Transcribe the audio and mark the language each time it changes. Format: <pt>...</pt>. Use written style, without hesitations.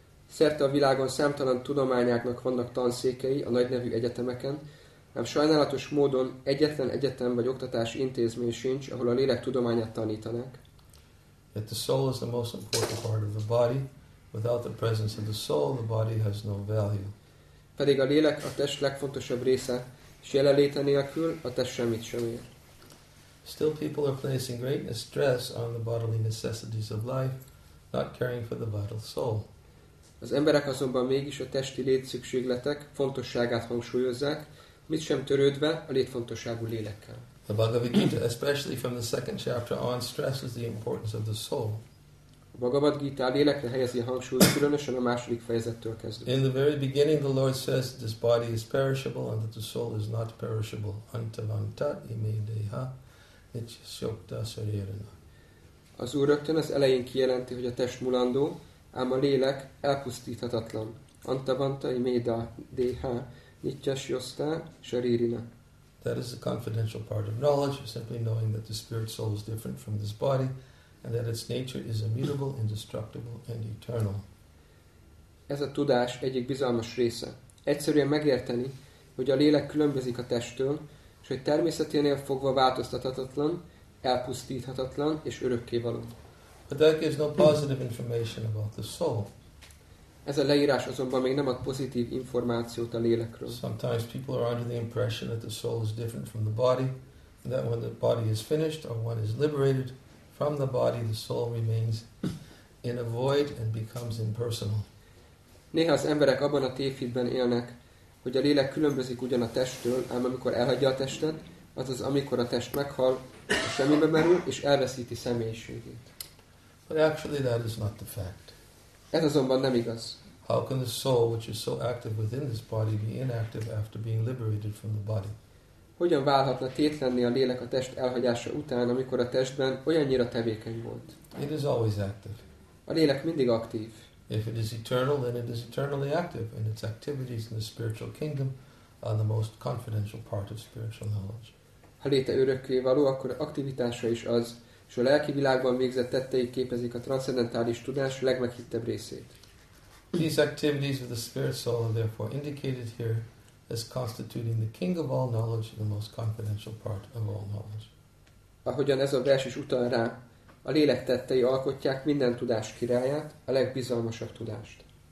<hu>Szerte a világon számtalan tudományágnak vannak tanszékei a nagynevű egyetemeken, ám sajnálatos módon egyetlen egyetem vagy oktatási intézmény sincs, ahol a lélek tudományát tanítanak.</hu> <en>Yet the soul is the most important part of the body, Without the presence of the soul, the body has no value.</en> <hu>Pedig a lélek a test legfontosabb része, és jelenléte nélkül a test semmit sem ér.</hu> <en>Still people are placing great stress on the bodily necessities of life, not caring for the vital soul.</en> <hu>Az emberek azonban mégis a testi létszükségletek fontosságát hangsúlyozzák, mit sem törődve a létfontosságú lélekkel.</hu> <en>The Bhagavad Gita, especially from the second chapter on, stresses the importance of the soul.</en> <hu>A Bhagavad Gita lélekre helyezi a hangsúlyt, különösen a második fejezettől kezdve.</hu> <en>In the very beginning, the Lord says that this body is perishable and that the soul is not perishable.</en> <sa>Antavantat ime deha nityasyokta sarirana.</sa> <hu>Az Úr rögtön az elején kijelenti, hogy a test mulandó, ám a lélek elpusztíthatatlan.</hu> <sa>Antavanta ime deha nityasyokta sarirana.</sa> <en>That is the confidential part of knowledge, simply knowing that the spirit soul is different from this body, and that its nature is immutable, indestructible, and eternal.</en> <hu>Ez a tudás egyik bizalmas része. Egyszerűen megérteni, hogy a lélek különbözik a testtől, és hogy természeténél fogva változtathatatlan, elpusztíthatatlan és örökkévaló.</hu> <en>But that gives no positive information about the soul.</en> <hu>Ez a leírás azonban még nem ad pozitív információt a lélekről.</hu> <en>Sometimes people are under the impression that the soul is different from the body, and that when the body is finished or one is liberated from the body, the soul remains in a void and becomes impersonal.</en> <hu>Néha az emberek abban a tévhitben élnek, hogy a lélek különbözik ugyan a testtől, ám amikor elhagyja a testet, azaz amikor a test meghal, a semmibe merül és elveszíti személyiségét.</hu> <en>But actually that is not the fact.</en> <hu>Ez azonban nem igaz.</hu> <en>How can the soul, which is so active within this body, be inactive after being liberated from the body?</en> <hu>Hogyan válhatna tétlenni a lélek a test elhagyása után, amikor a testben olyannyira tevékeny volt?</hu> <en>It is always active.</en> <hu>A lélek mindig aktív.</hu> <en>If it is eternal, then it is eternally active, and its activities in the spiritual kingdom are the most confidential part of spiritual knowledge.</en> <hu>Ha léte örökké való, akkor aktivitása is az, és a lelki világban végzett tettei képezik a transzcendentális tudás legmeghittebb részét.</hu> <en>These activities of the spirit soul are therefore indicated here as constituting the king of all knowledge, the most confidential part of all knowledge.</en> <hu>Ahogyan ez a vers is utal rá, a lélek tettei alkotják minden tudás királyát, a legbizalmasabb tudást.</hu>